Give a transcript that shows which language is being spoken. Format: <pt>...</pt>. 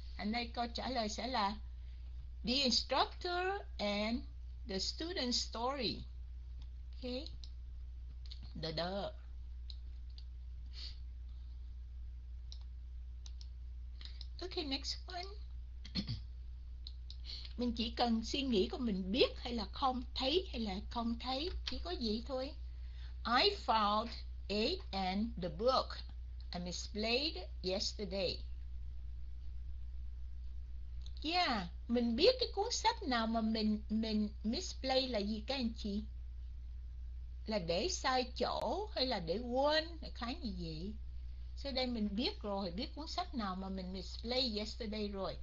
<vi>Hôm nay câu trả lời sẽ là</vi> <en>the instructor and the student story.</en> <vi>Okay. Đờ.</vi> <en>Okay, next one.</en> <vi>Mình chỉ cần suy nghĩ của mình biết hay là không, thấy hay là không thấy, chỉ có vậy thôi.</vi> <en>I found it and the book I misplaced yesterday.</en> <vi>Yeah, mình biết cái cuốn sách nào mà mình misplace là gì các anh chị? Là để sai chỗ hay là để quên, là khái như vậy. Sau đây mình biết rồi, biết cuốn sách nào mà mình</vi> <en>misplace yesterday</en> <vi>rồi.</vi>